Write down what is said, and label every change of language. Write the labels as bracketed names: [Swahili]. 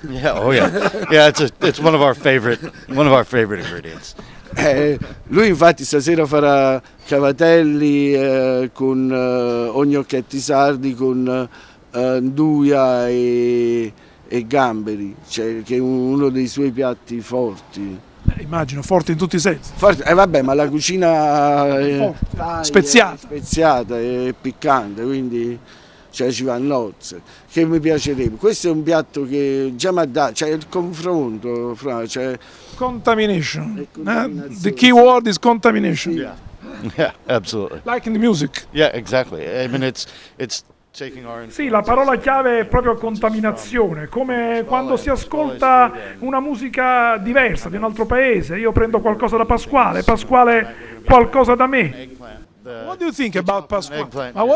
[English] It's one of our favorite ingredients. [Italian] Lui infatti stasera farà cavatelli con ognocchetti sardi con anduia e gamberi, cioè che è uno dei suoi piatti forti. Immagino, forti in tutti i sensi. Vabbè, ma la cucina è speziata e piccante, quindi cioè, ci va a nozze. Che mi piacerebbe. Questo è un piatto che già mi ha dato, cioè il confronto fra... Cioè, [English] contamination. The key word is contamination. Yeah, absolutely. Like in the music. Yeah, exactly. I mean, it's... [Italian] Sì, la parola chiave è proprio contaminazione, come quando si ascolta una musica diversa di un altro paese. Io prendo qualcosa da Pasquale, Pasquale qualcosa da me. [English] What do you think about Pasquale?